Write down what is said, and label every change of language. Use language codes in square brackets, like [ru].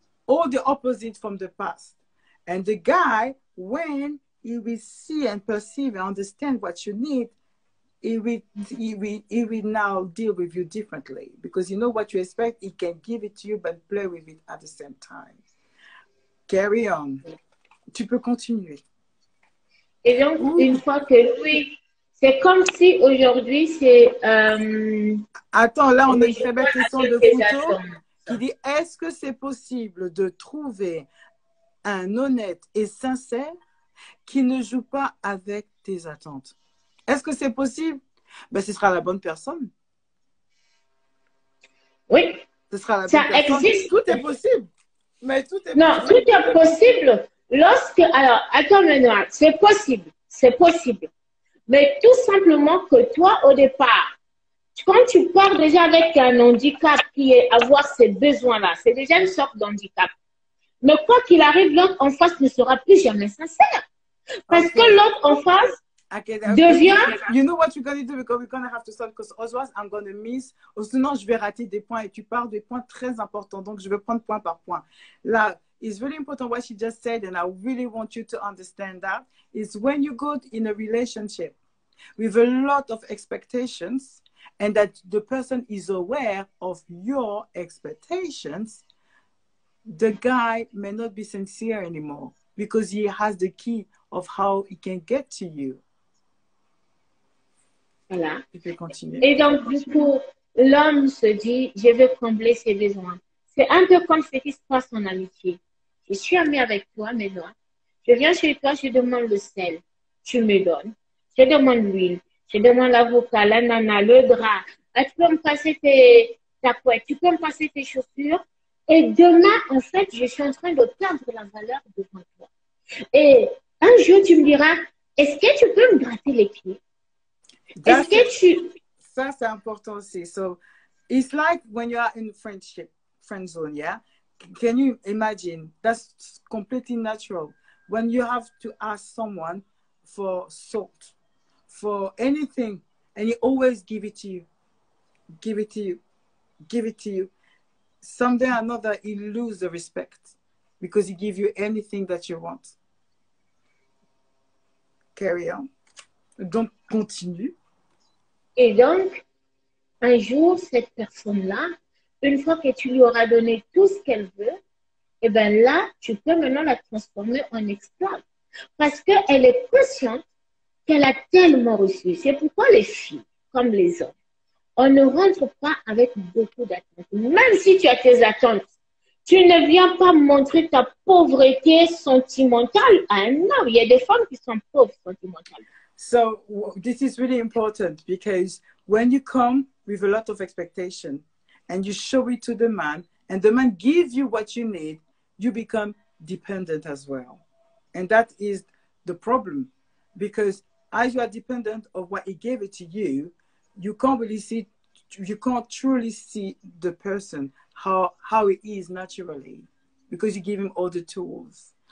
[en] All the opposite from the past. And the guy, when he will see and perceive and understand what you need, he will now deal with you differently. Because you know what you expect, he can give it to you, but play with it at the same time. Carry on. [fr] Tu peux continuer. Et donc, une fois que lui, c'est comme si aujourd'hui, c'est... Attends, là, on a une très belle question de Couteau qui dit, est-ce que c'est possible de trouver un honnête et sincère qui ne joue pas avec tes attentes. Est-ce que c'est possible? Ben, ce sera la bonne personne. Oui. Ce sera la bonne personne. Ça existe. Tout est possible. Mais tout est non, possible. Tout est possible lorsque. Alors, attends, maintenant, c'est possible. C'est possible. Mais tout simplement que toi, au départ, quand tu pars déjà avec un handicap qui est avoir ces besoins-là, c'est déjà une sorte d'handicap. Mais quoi qu'il arrive, l'autre en face ne sera plus jamais sincère. Parce que l'autre en face devient... [en] You know what you're going to do? Because we're going to have to stop because otherwise I'm going to miss. [fr] Oh, sinon, je vais rater des points et tu parles des points très importants. Donc, je vais prendre point par point. [en] Là, it's really important what she just said and I really want you to understand that. Is when you go in a relationship with a lot of expectations and that the person is aware of your expectations, the guy may not be sincere anymore because he has the key of how he can get to you. [fr] Voilà. [en] If you continue. [fr] Et donc, du coup, l'homme se dit, je vais combler ses besoins. C'est un peu comme ce qui se passe en amitié. Je suis ami avec toi, mes doigts. Je viens chez toi, je demande le sel, tu me donnes. Je demande l'huile, je demande l'avocat, l'ananas, le drap. Ah, tu peux me passer ta couette, tu peux me passer tes chaussures. Et demain, en fait, je suis en train de perdre la valeur devant toi. Et un jour, tu me diras, est-ce que tu peux me gratter les pieds? Est-ce que tu... Ça, c'est important aussi. [en] So, it's like when you are in friendship, friend zone, yeah? Can you imagine? That's completely natural. When you have to ask someone for salt, for anything, and he always give it to you, give it to you, give it to you. Someday or another, he lose the respect because he give you anything that you want. Carry on. [fr] Donc, continue. Et donc, un jour, cette personne-là, une fois que tu lui auras donné tout ce qu'elle veut, et bien là, tu peux maintenant la transformer en esclave. Parce qu'elle est consciente qu'elle a tellement reçu. C'est pourquoi les filles, comme les hommes, on ne rentre pas avec beaucoup d'attentes. Même si tu as tes attentes, tu ne viens pas montrer ta pauvreté sentimentale à un homme. Il y a des femmes qui sont pauvres sentimentales. [en] So, this is really important because when you come with a lot of expectation and you show it to the man, and the man gives you what you need, you become dependent as well. And that is the problem. Because as you are dependent of what he gave it to you, you can't really see, you can't truly see the person, how he is naturally, because you give him all the tools.